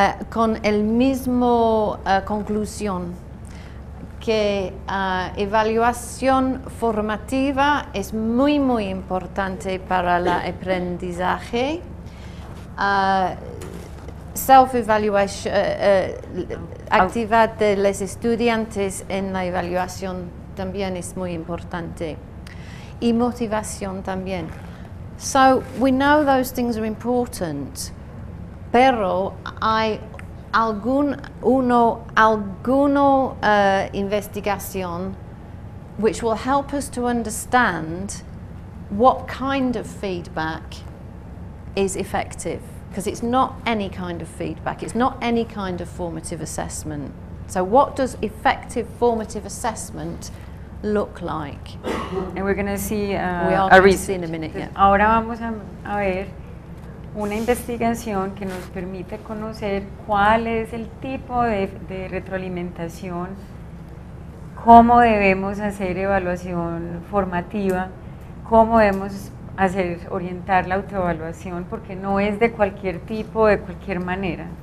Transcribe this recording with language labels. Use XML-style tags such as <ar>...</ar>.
<es>Con el mismo conclusión que evaluación formativa es muy muy importante para el aprendizaje, actividad de los estudiantes en la evaluación también es muy importante y motivación también.</es> <en>So we know those things are important.</en> <es>Pero hay investigación</es> <en>which will help us to understand what kind of feedback is effective, because it's not any kind of feedback, it's not any kind of formative assessment. So what does effective formative assessment look like? And we're going to see see in a minute. Yeah.</en> <es>Ahora vamos a ver una investigación que nos permite conocer cuál es el tipo de retroalimentación, cómo debemos hacer evaluación formativa, cómo debemos orientar la autoevaluación, porque no es de cualquier tipo, de cualquier manera.</es>